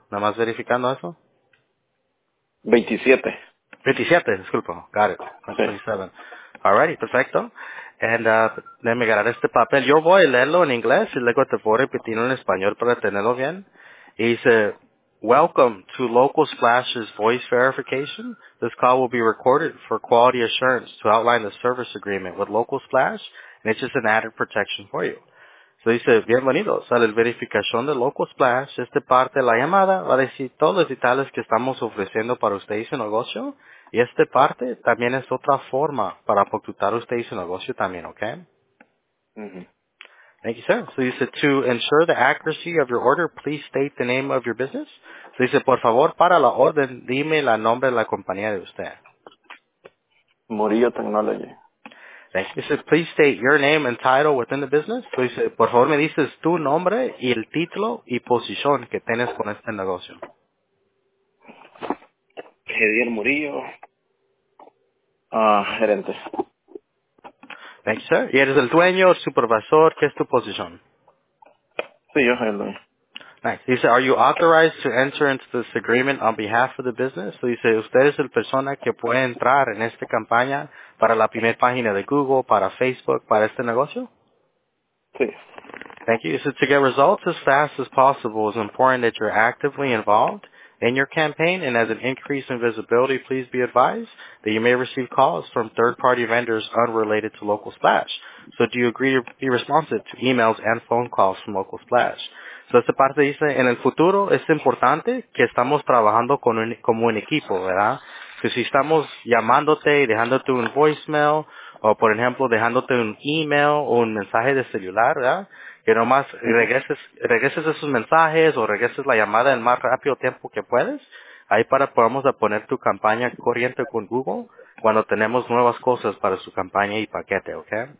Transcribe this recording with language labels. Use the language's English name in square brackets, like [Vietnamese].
[Spanish] Nada más verificando eso. 27. [English] 27, [Spanish] disculpo. [English] Got it. 27. Okay. Alrighty, perfecto. And [Spanish] déjame agarrar este papel. Yo voy a leerlo en inglés y luego te voy a repetirlo en español para tenerlo bien. Y dice, [English] welcome to Local Splash's voice verification. This call will be recorded for quality assurance to outline the service agreement with Local Splash, and it's just an added protection for you. [Spanish] So dice, bienvenidos a la verificación de Local Splash. Esta parte de la llamada va a decir todos los detalles que estamos ofreciendo para usted y su negocio. Y esta parte también es otra forma para aportar usted y su negocio también, ¿ok? Mm-hmm. [English] Thank you, sir. So [Spanish] dice, [English] to ensure the accuracy of your order, please state the name of your business. [Spanish] So dice, por favor, para la orden, dime el nombre de la compañía de usted. [English] Murillo Technology. He says, please state your name and title within the business. So he says, [Spanish] por favor, me dices tu nombre y el título y posición que tienes con este negocio. Javier Murillo, gerente. [English] Thank you, sir. [Spanish] ¿Y eres el dueño, supervisor? ¿Qué es tu posición? Sí, yo soy el dueño. [English] Nice. He said, are you authorized to enter into this agreement on behalf of the business? So he said, [Spanish] usted es el persona que puede entrar en esta campaña para la primera página de Google, para Facebook, para este negocio? Sí. [English] Thank you. He said, to get results as fast as possible, it's important that you're actively involved in your campaign, and as an increase in visibility, please be advised that you may receive calls from third-party vendors unrelated to Local Splash. So do you agree to be responsive to emails and phone calls from Local Splash? [Spanish] So esta parte dice, en el futuro es importante que estamos trabajando como un equipo, ¿verdad? Que si estamos llamándote y dejándote un voicemail, o por ejemplo dejándote un email o un mensaje de celular, ¿verdad? Que nomás regreses esos mensajes o regreses la llamada el más rápido tiempo que puedes, ahí para podamos poner tu campaña corriente con Google cuando tenemos nuevas cosas para su campaña y paquete, ¿ok?